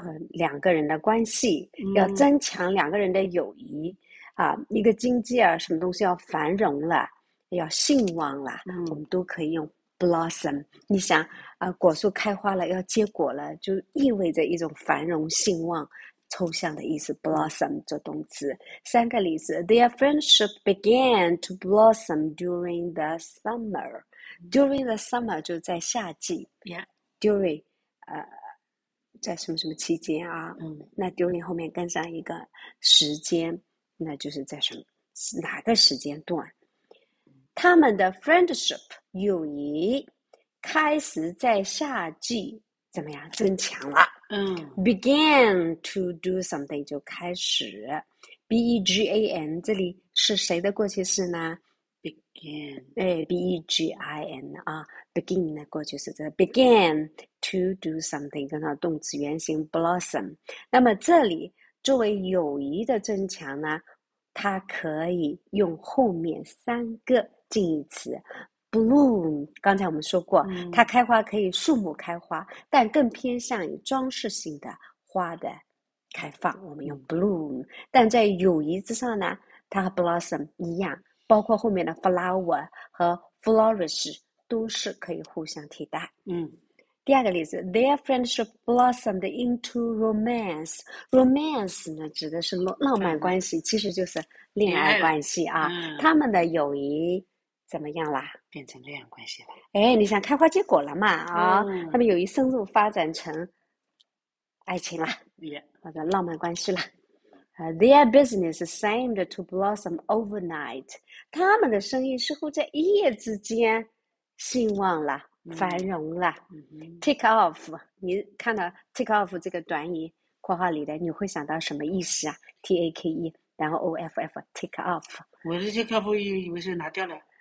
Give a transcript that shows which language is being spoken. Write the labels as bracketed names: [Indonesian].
[Chinese] 两个人的关系要增强，两个人的友谊、嗯、啊，一个经济啊，什么东西要繁荣了，要兴旺了、嗯，我们都可以用 blossom。你想啊，果树开花了，要结果了，就意味着一种繁荣兴旺，抽象的意思 blossom 做动词。三个例子 [English] ，their friendship began to blossom during the summer、嗯。 During the summer [Chinese] 就在夏季。 [English] Yeah. [Chinese] During， 在什么什么期间啊？嗯，那 during 后面跟上一个时间，那就是在什么哪个时间段？他们的 friendship 友谊开始在夏季怎么样增强了？嗯， [English] began to do something [Chinese] 就开始 ，began 这里是谁的过去式呢 [English] ？begin， [Chinese] 哎 ，begin 啊。 begin 的过去式 [English] began to do something [Chinese] 跟它动词原形 blossom， 那么这里作为友谊的增强呢，它可以用后面三个近义词 bloom， 刚才我们说过、嗯、它开花可以树木开花，但更偏向于装饰性的花的开放，我们用 bloom， 但在友谊之上呢它和 blossom 一样，包括后面的 flower 和 flourish 都是可以互相替代。第二个例子， [English] their friendship blossomed into romance。 [Chinese] romance 呢，指的是浪漫关系，其实就是恋恋爱爱了，关系啊。他们的友谊怎么样啦？变成恋爱关系哎，你想开花结果了嘛？了，啊，他们友谊深入发展成爱情啦，或者浪漫关系啦。 [English] Their business seemed to blossom overnight。 [Chinese] 他们的生意似乎在一夜之间兴旺了，繁荣了。 Take off，你看到 take off 这个短语，括号里的，你会想到什么意思啊？take，然后 off，take off。我这些客户以为是拿掉了，